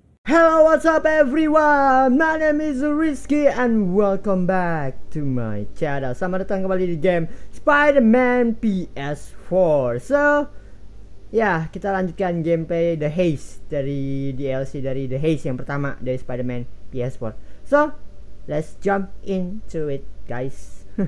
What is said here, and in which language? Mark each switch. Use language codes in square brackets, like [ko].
[en] Hello, what's up everyone? My name is Rizky and welcome back to my channel. [id] Selamat datang kembali di game Spider-Man PS4. So, yeah, kita lanjutkan gameplay The Haze dari DLC dari The Haze yang pertama dari Spider-Man PS4. [en] So, let's jump into it, guys.